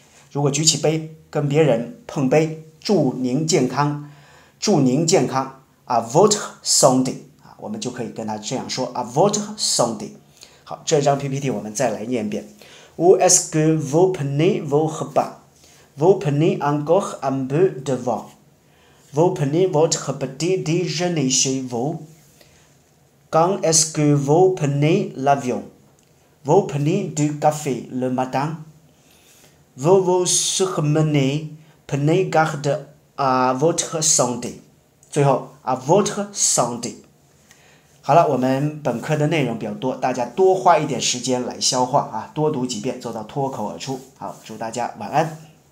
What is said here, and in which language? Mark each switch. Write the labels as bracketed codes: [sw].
[zh] 如果举起杯跟别人碰杯祝您健康祝您健康 [fr] A votre santé [zh] 我们就可以跟他这样说 [fr] A votre santé [zh] 好这张 PPT 我们再来念一遍 [fr] Où est-ce que vous prenez vos repas Vous prenez encore un peu de vin Vous prenez votre petit déjeuner chez vous Quand est-ce que vous prenez l'avionVous prenez du café le matin. Vous vous surmenez, prenez garde à votre santé. [zh] 最后 [fr] à votre santé. [zh] 好了，我们本课的内容比较多，大家多花一点时间来消化多读几遍，做到脱口而出。好，祝大家晚安。